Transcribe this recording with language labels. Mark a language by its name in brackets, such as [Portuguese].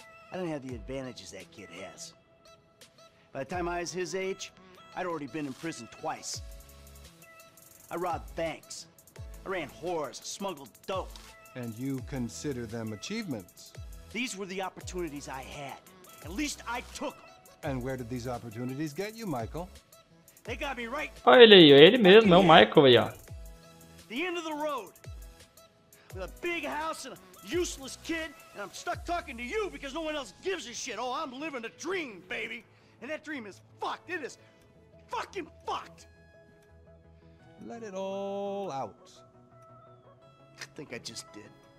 [English] I don't have the advantages that kid has. By the time I was his age, I'd already been in prison twice. I robbed banks. I ran whores, smuggled dope. And you consider them achievements? These were the opportunities I had. At least I took them. And where did these opportunities get you, Michael? They got me right. [Portuguese] Olha ele aí, ele mesmo, é o Michael aí, ó. [English] The end of the road. With a big house and a useless kid, and I'm stuck talking to you because no one else gives a shit. Oh, I'm living a dream, baby. And that dream is fucked. It is fucking fucked. Let it all out. I think I just did.